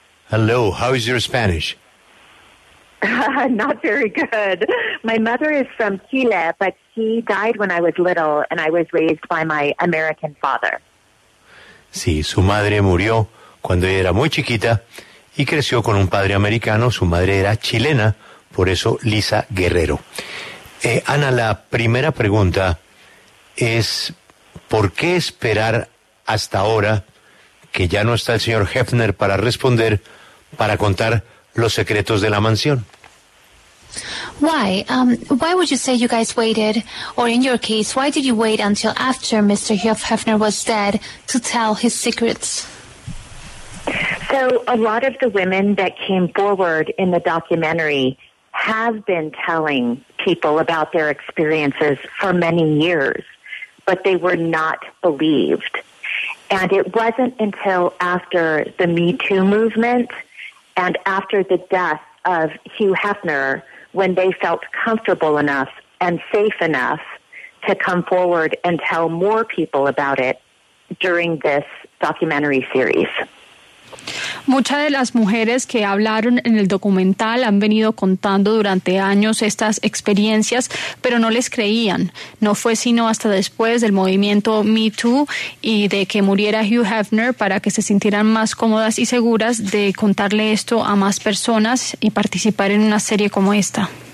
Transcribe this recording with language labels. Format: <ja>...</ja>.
<en>Hello, how is your Spanish? Not very good. My mother is from Chile, but she died when I was little and I was raised by my American father.</en> <es>Sí, su madre murió cuando ella era muy chiquita y creció con un padre americano. Su madre era chilena, por eso Lisa Guerrero. Ana, la primera pregunta es, ¿por qué esperar hasta ahora que ya no está el señor Hefner para responder, para contar los secretos de la mansión?</es> <en>Why? Why would you say you guys waited? Or in your case, why did you wait until after Mr. Hefner was dead to tell his secrets? So a lot of the women that came forward in the documentary have been telling people about their experiences for many years, but they were not believed. And it wasn't until after the Me Too movement and after the death of Hugh Hefner when they felt comfortable enough and safe enough to come forward and tell more people about it during this documentary series.</en> <es>Muchas de las mujeres que hablaron en el documental han venido contando durante años estas experiencias, pero no les creían. No fue sino hasta después del movimiento Me Too y de que muriera Hugh Hefner para que se sintieran más cómodas y seguras de contarle esto a más personas y participar en una serie como esta.</es>